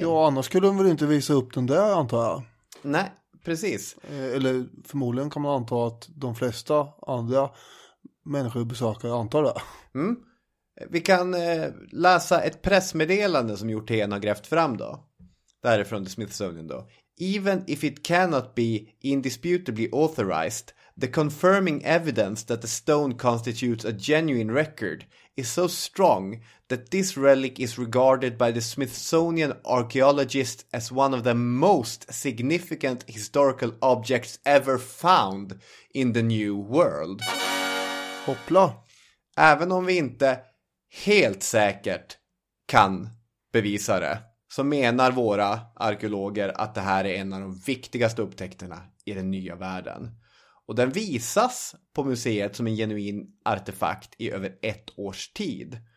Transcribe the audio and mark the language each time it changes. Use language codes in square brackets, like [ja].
[sv] Ja, annars skulle de väl inte visa upp den där, antar jag. Nej, precis. Eller förmodligen kan man anta att de flesta andra människor besökare antar det. Mm. Vi kan läsa ett pressmeddelande som Jortén har grävt fram då. Därifrån The Smithsonian då. [en] Even if it cannot be indisputably authorized, the confirming evidence that the stone constitutes a genuine record is so strong that this relic is regarded by the Smithsonian archaeologists as one of the most significant historical objects ever found in the New World. [sv] Hoppla. Även om vi inte helt säkert kan bevisa det, så menar våra arkeologer att det här är en av de viktigaste upptäckterna i den nya världen. Och den visas på museet som en genuin artefakt i över ett års tid.